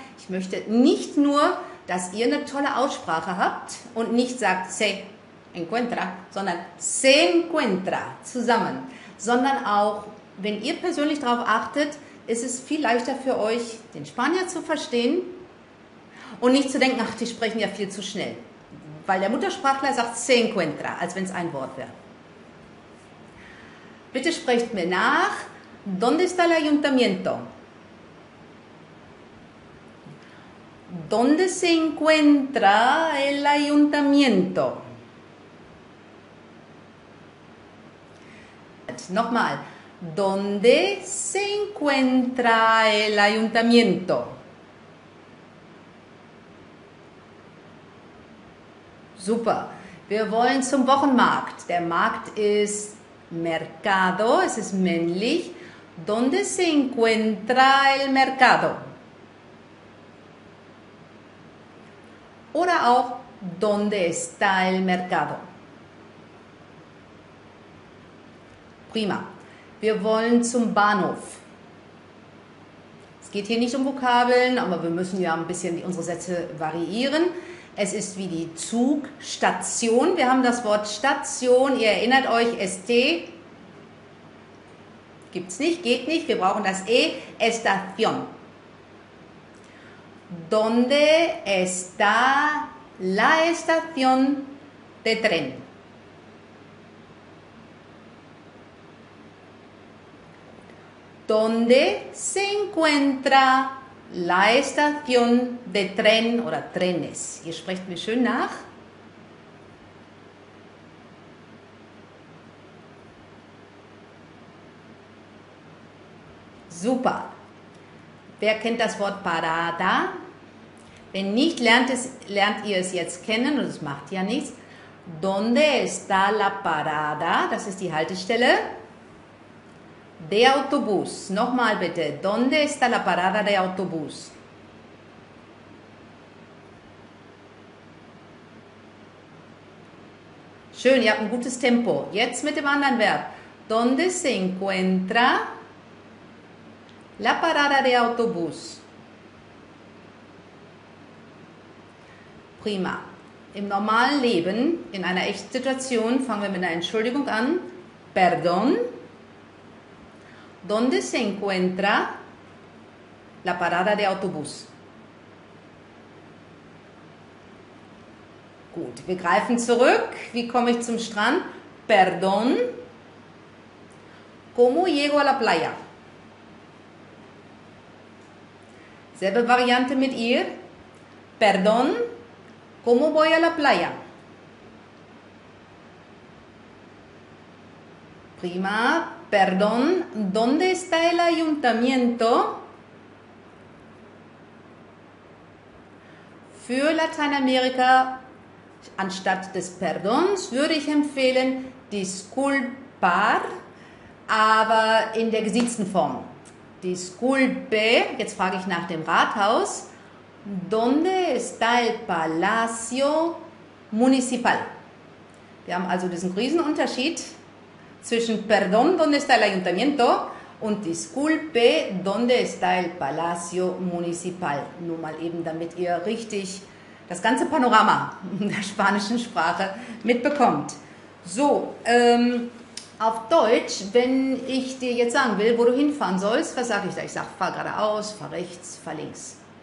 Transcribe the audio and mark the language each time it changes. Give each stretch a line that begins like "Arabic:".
German: Ich möchte nicht nur, dass ihr eine tolle Aussprache habt und nicht sagt se encuentra, sondern se encuentra, zusammen. Sondern auch, wenn ihr persönlich darauf achtet, ist es viel leichter für euch, den Spanier zu verstehen und nicht zu denken, ach, die sprechen ja viel zu schnell. Weil der Muttersprachler sagt se encuentra, als wenn es ein Wort wäre. Bitte sprecht mir nach.
Spanish: ¿Dónde está el ayuntamiento? ¿Dónde se encuentra el ayuntamiento? Nochmal, ¿dónde se encuentra el ayuntamiento?
German: Super, wir wollen zum Wochenmarkt. Der Markt ist Mercado, es ist männlich.
Spanish: ¿Dónde se encuentra el mercado? Oder auch, ¿dónde está el mercado?
German: Prima. Wir wollen zum Bahnhof. Es geht hier nicht um Vokabeln, aber wir müssen ja ein bisschen unsere Sätze variieren. Es ist wie die Zugstation. Wir haben das Wort Station. Ihr erinnert euch, ST gibt es nicht, geht nicht. Wir brauchen das E, Estación.
Spanish: ¿Dónde está la estación de tren? ¿Dónde se encuentra la estación de tren oder trenes?
German: Ihr sprecht mir schön nach. Super. Wer kennt das Wort parada? Wenn nicht, lernt ihr es jetzt kennen und es macht ja nichts.
Spanish: ¿Dónde está la parada?
German: Das ist die Haltestelle.
Spanish: De autobús.
German: Nochmal bitte.
Spanish: ¿Dónde está la parada de autobús?
German: Schön, ihr habt ein gutes Tempo. Jetzt mit dem anderen Verb.
Spanish: ¿Dónde se encuentra la parada de autobús?
German: Prima. Im normalen Leben, in einer echten Situation, fangen wir mit einer Entschuldigung an.
Spanish: Perdón. ¿Dónde se encuentra la parada de autobús?
German: Gut, wir greifen zurück. Wie komme ich zum Strand?
Spanish: Perdón. ¿Cómo llego a la playa?
German: Selbe Variante mit ihr.
Spanish: Perdón. ¿Cómo voy a la playa?
German: Prima.
Spanish: Perdón, ¿dónde está el ayuntamiento?
German: für Lateinamerika, anstatt des Perdons, würde ich empfehlen, disculpar, aber in der gesitzten Form. Disculpe, jetzt frage ich nach dem Rathaus.
Spanish: ¿Dónde está el Palacio Municipal?
German: Wir haben also diesen Riesenunterschied zwischen
Spanish: Perdón, ¿dónde está el Ayuntamiento? Und Disculpe, ¿dónde está el Palacio Municipal?
German: Nur mal eben, damit ihr richtig das ganze Panorama der spanischen Sprache mitbekommt. So, auf Deutsch, wenn ich dir jetzt sagen will, wo du hinfahren sollst, was sage ich da? Ich sage, fahr geradeaus, fahr rechts, fahr links.